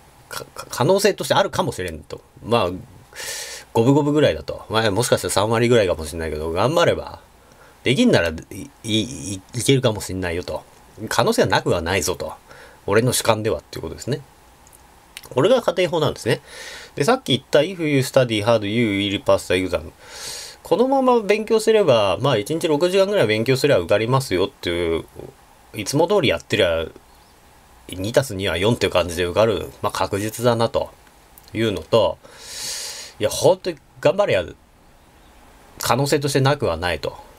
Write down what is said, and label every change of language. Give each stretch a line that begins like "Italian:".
Japanese: 可能性としてあるかもしれんと。まあ、五分五分ぐらいだと。まあ、もしかしたら3割ぐらいかもしれないけど、頑張れば。できんならいけるかもしれないよと。可能性はなくはないぞと。俺の主観ではっていうことですね。これが仮定法なんですね。で、さっき言った
English: If you study hard, you will pass the exam。
Japanese: このまま勉強すれば、まあ1日6時間ぐらい勉強すれば受かりますよっていう、いつも通りやってりゃ2たす2は4っていう感じで受かる、まあ確実だなというのと、いや、本当に頑張れや、可能性としてなくはないと。